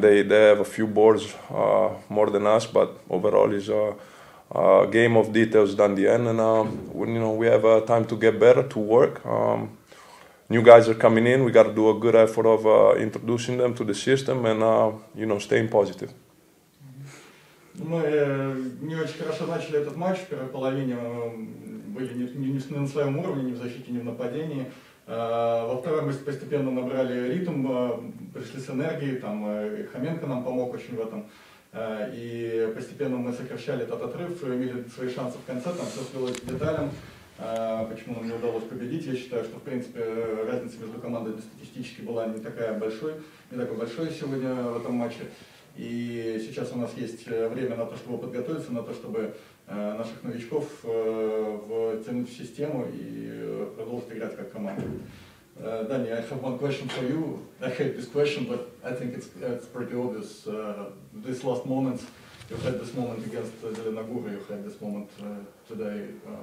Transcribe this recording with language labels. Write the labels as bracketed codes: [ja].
[en] They have a few boards more than us, but overall it's a game of details down the end. And we have time to get better, to work. New guys are coming in. We got to do a good effort of introducing them to the system and, staying positive. [ru] Мы не очень хорошо начали этот матч. В первой половине были не на своем уровне, ни в защите, ни в нападении. Во-вторых, мы постепенно набрали ритм, пришли с энергией, там Хоменко нам помог очень в этом. И постепенно мы сокращали этот отрыв, имели свои шансы в конце, там все свелось к деталям. Почему нам не удалось победить? Я считаю, что в принципе разница между командами статистически была не такая большой, не такой большой сегодня в этом матче. И сейчас у нас есть время на то, чтобы подготовиться, на то, чтобы наших новичков втянуть в систему и продолжить играть как команда. [en] Danny, I have one question for you. I hate this question, but I think it's pretty obvious. These last moments, you had this moment against Zelenogorye, you had this moment today.